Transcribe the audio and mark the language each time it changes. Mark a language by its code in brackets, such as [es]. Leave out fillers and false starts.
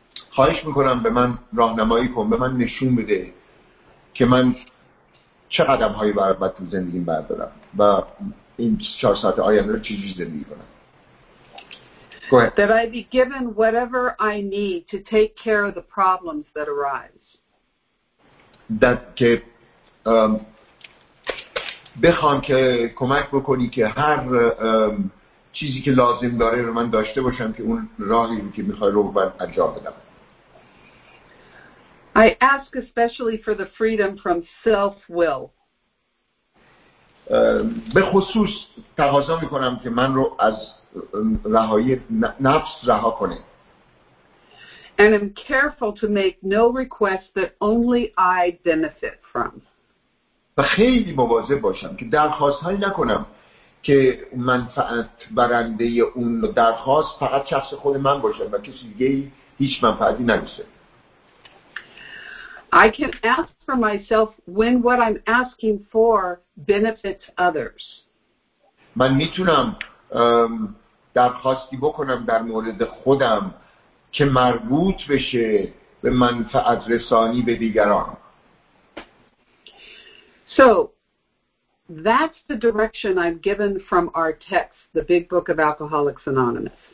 [fa] خواهش میکنم به من راهنمایی کن، به من نشون بده که من چه قدم هایی باید تو زندگیم بردارم و این 4 ساعت آینده رو چجوری زندگی کنم. [en] That I be given whatever I need to take care of the problems that arise. That [fa] که بخوام که کمک بکنی که هر چیزی که لازم داره رو من داشته باشم که اون راهی که میخوای رو من انجام بدم. [en] I ask especially for the freedom from self-will. [fa] به خصوص تقاضا میکنم که من رو از رهایی نفس رها کنه. [en] And I'm careful to make no request that only I benefit from. [fa] و خیلی مواظب باشم که درخواست هایی نکنم که منفعت برنده اون درخواست فقط شخص خود من باشه و کسی دیگه هیچ منفعتی نداشته. [en] I can ask for myself when what I'm asking for benefits others. [fa] من میتونم درخواستی بکنم در مورد خودم که مربوط بشه به منفعت رسانی به دیگران. [en] So that's the direction I'm given from our text, the Big Book of Alcoholics Anonymous.